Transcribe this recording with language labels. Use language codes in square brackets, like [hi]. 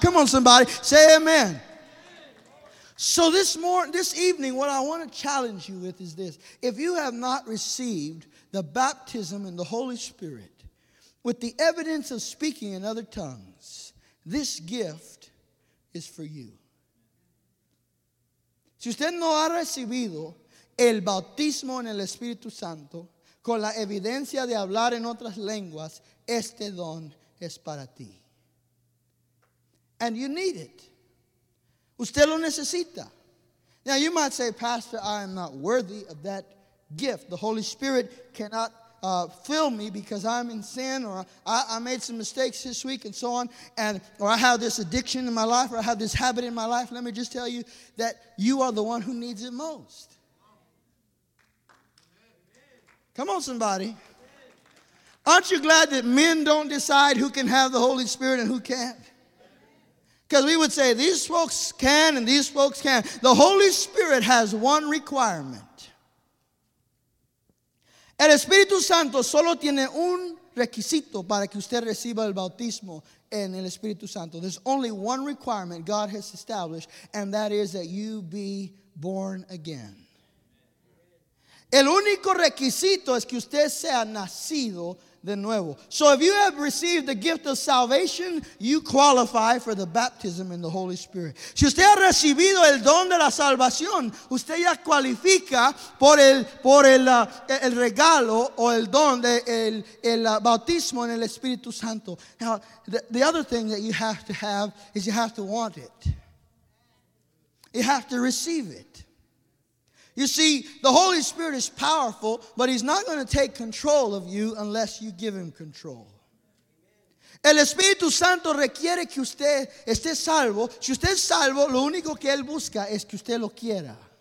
[en] Come on, somebody, say amen. So this evening, what I want to challenge you with is this. If you have not received the baptism in the Holy Spirit with the evidence of speaking in other tongues, this gift is for you. [es] Si usted no ha recibido el bautismo en el Espíritu Santo con la evidencia de hablar en otras lenguas, este don es para ti. [en] And you need it. [es] Usted lo necesita. [en] Now you might say, Pastor, I am not worthy of that gift. The Holy Spirit cannot fill me because I'm in sin, or I made some mistakes this week and so on, or I have this addiction in my life, or I have this habit in my life. Let me just tell you that you are the one who needs it most. Come on, somebody. Aren't you glad that men don't decide who can have the Holy Spirit and who can't? Because we would say, these folks can and these folks can't. The Holy Spirit has one requirement. [es] El Espíritu Santo solo tiene un requisito para que usted reciba el bautismo en el Espíritu Santo. [en] There's only one requirement God has established, and that is that you be born again. [es] El único requisito es que usted sea nacido de nuevo. [en] So if you have received the gift of salvation, you qualify for the baptism in the Holy Spirit. [es] Si usted ha recibido el don de la salvación, usted ya cualifica por el regalo o el don de el bautismo en el Espíritu Santo. [en] Now, the other thing that you have to have is you have to want it. You have to receive it. You see, the Holy Spirit is powerful, but He's not going to take control of you unless you give Him control. [es] El Espíritu Santo requiere que usted esté salvo. Si usted es salvo, lo único que Él busca es que usted lo quiera.